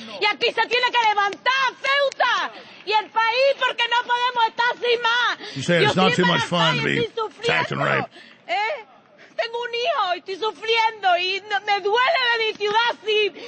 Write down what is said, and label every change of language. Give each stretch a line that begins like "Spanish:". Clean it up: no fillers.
Spanish: Y aquí se tiene que levantar Ceuta y el país porque no podemos estar sin más.
English: You say it's not too much fun to be attacked and raped.
Spanish: Tengo un hijo y estoy sufriendo y me duele de mi ciudad así.